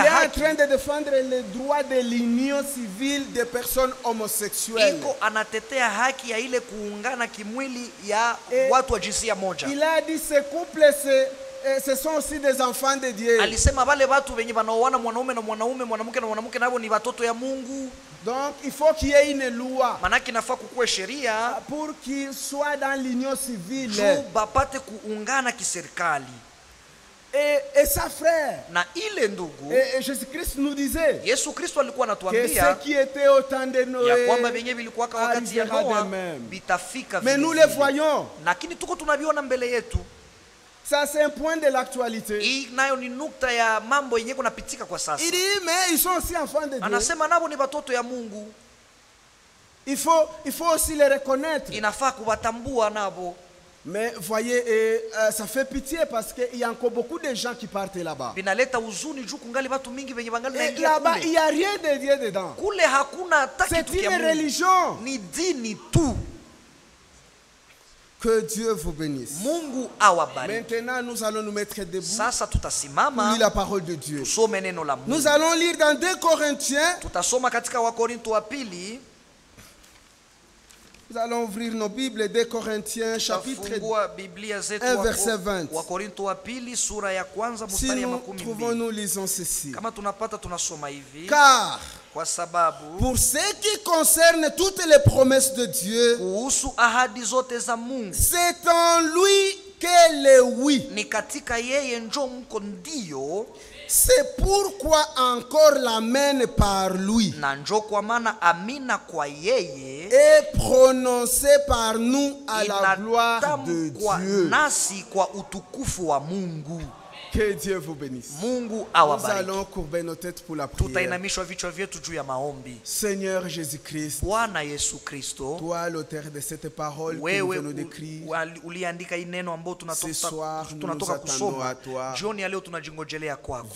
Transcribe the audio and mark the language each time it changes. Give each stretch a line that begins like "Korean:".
French: haki. Il est en train de défendre les droits de l'union civile des personnes homosexuelles.
Swahili: Iko anatetea haki ya ile kuungana kimwili ya watu wa jinsia moja.
French: Il a dit ces couples ce sont aussi des enfants de Dieu.
Swahili: Alisema wale watu wenye wanaoana mwanaume na mwanaume, mwanamke na mwanamke, nao ni watoto ya Mungu.
French: Donc il faut qu'il y ait une loi.
Swahili: Manaki nafaa kukuwe sheria
French: pour qu'il soit dans l'union civile.
Swahili: Juu bapate kuungana kiserikali.
French: Et sa frère,
Swahili: na ile ndugu,
French: et Jésus-Christ nous disait,
Swahili: Yesu Kristo alikuwa anatuambia,
French: que ce qui était au temps de Noé,
Swahili: ya kwamba venye vilikuwa wakati ya Noa, bitafika
French: vile. Mais nous le voyons.
Swahili: Lakini tuko tunaviona mbele yetu.
French: Ça c'est un point de l'actualité.
Swahili: I nayo ni nukta ya mambo yenye kunapitika kwa sasa.
French: Il dit, mais ils sont aussi enfants de Dieu.
Swahili: Anasema nabo ni watoto ya Mungu.
French: Il faut aussi les reconnaître.
Swahili: Inafaa kuwatambua nabo.
French: Mais voyez, ça fait pitié parce qu'il y a encore beaucoup de gens qui partent là-bas.
Swahili: Binaleta uzuni juu kungali watu mingi venye bangali naingia kule.
French: Là-bas, il n'y a rien de Dieu dedans.
Swahili: Kule hakuna hata kitu kia Mungu.
French: C'est une religion.
Swahili: Ni dini tu.
French: Que Dieu vous bénisse.
Swahili: Mungu awabariki.
French: Maintenant, nous allons nous mettre debout.
Swahili: Sasa tutasimama.
French: Lire la parole de Dieu.
Swahili: Tusome neno la Mungu.
French: Nous allons lire dans 2 Corinthiens.
Swahili: Tutasoma katika wa Korinto wa pili.
French: Nous allons ouvrir nos Bibles, 2 Corinthiens, chapitre 1, verset 20.
Swahili: Wa Korinto wa pili, sura ya kwanza,
French: si nous trouvons, nous lisons ceci.
Swahili: Kama tunapata, tunasoma hivi.
French: Car,
Swahili: kwa sababu,
French: pour ce qui concerne toutes les promesses de Dieu,
Swahili: kuhusu ahadi zote za Mungu,
French: c'est en lui que le oui.
Swahili: Ni katika yeye njo mko ndio.
French: C'est pourquoi encore l'amen par lui est prononcé par nous à la gloire de Dieu.
Swahili: Nasi kwa utukufu wa Mungu.
French: Que Dieu vous bénisse.
Swahili: Mungu awabariki.
French: Nous allons courber nos têtes pour la prière.
Swahili: Tutainamishwa vichwa vyetu juu ya maombi.
French: Seigneur Jésus-Christ.
Swahili: Bwana Yesu Kristo.
French: Toi l'auteur de cette parole que nous venons d'écrire.
Swahili: Uliandika hii neno ambao tunatoka kusoma. Jioni ya leo tunajingojelea kwako.